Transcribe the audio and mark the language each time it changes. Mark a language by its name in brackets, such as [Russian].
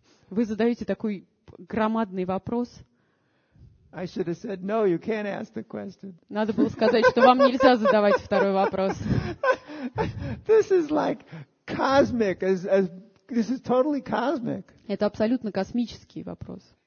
[Russian] Вы задаете такой громадный вопрос. [English] I should have said, no, you can't ask the question. [Russian] Надо было сказать, что вам нельзя задавать второй вопрос. [English] This is like cosmic, as This is totally cosmic. [Russian] Это абсолютно космический вопрос.